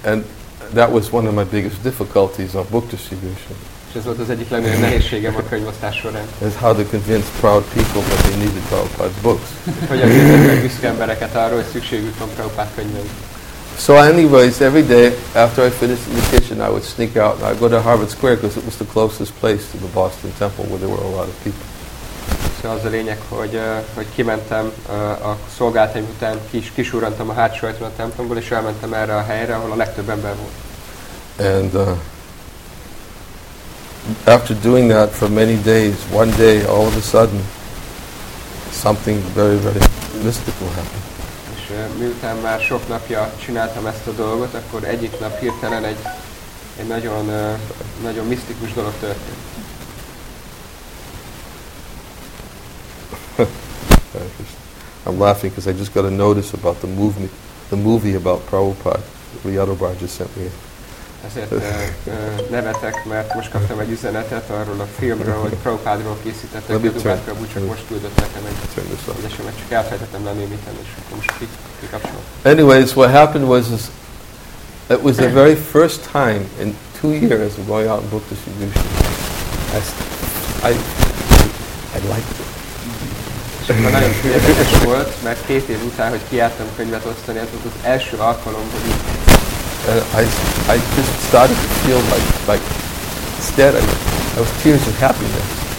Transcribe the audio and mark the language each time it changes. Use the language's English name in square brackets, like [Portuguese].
[English] And that was one of my biggest difficulties on book distribution. [Hungarian] És ez volt az egyik legnagyobb nehézségem a könyvosztás során. [English] Is how to convince proud people that they need to talk about books. [Hungarian] Hogyan győzzem meg büszke embereket arról, hogy szükségük van Prabhupada könyveire. [English] So anyways, every day after I finished in the kitchen, I would sneak out and I'd go to Harvard Square because it was the closest place to the Boston Temple where there were a lot of people. [Hungarian] Szóval az a lényeg, hogy kimentem a szolgálatai után, kisúrantam a hátsó ajtón a templomból, és elmentem erre a helyre, ahol a legtöbb ember volt. [English] And after doing that for many days, one day, all of a sudden, something very, very mystical happened. [Hungarian] És miután már sok napja csináltam ezt a dolgot, akkor egyik nap hirtelen egy nagyon, nagyon misztikus dolog történt. [English] I'm laughing because I just got a notice about the movie about Prabhupada. Riyadu Bar just sent me. [Hungarian] Ezért nevetek, mert most kaptam egy üzenetet arról a filmről, hogy Prabhupádról készítettek. Most küldött nekem egy üzenetet, csak elfelejtettem lenémítem, és akkor most kikapcsolom. [English] Anyways, what happened was it was the very first time in 2 years of going out in book distribution. I liked it. [Hungarian] Nagyon érdekes volt, mert 2 év után, hogy kiálltam könyvet osztani, ez volt az első alkalom, hogy [English] I just started to feel like instead I was tears of happiness.